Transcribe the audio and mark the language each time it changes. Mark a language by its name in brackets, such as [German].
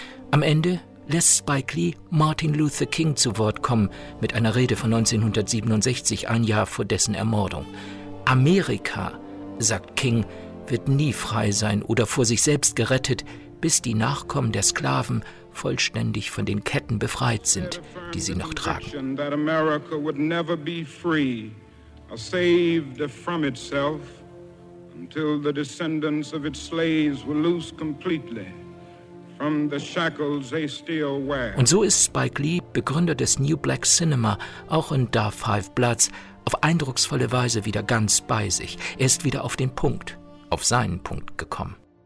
[German] Am Ende lässt Spike Lee Martin Luther King zu Wort kommen mit einer Rede von 1967, ein Jahr vor dessen Ermordung. Amerika, sagt King, wird nie frei sein oder vor sich selbst gerettet, bis die Nachkommen der Sklaven vollständig von den Ketten befreit sind, die sie noch tragen. [English] That America would never be free or saved from itself until the descendants of its slaves were loose completely from the shackles they still wear. [German] Und so ist Spike Lee, Begründer des New Black Cinema, auch in Da Five Bloods auf eindrucksvolle Weise wieder ganz bei sich. Er ist wieder auf den Punkt, auf seinen Punkt gekommen.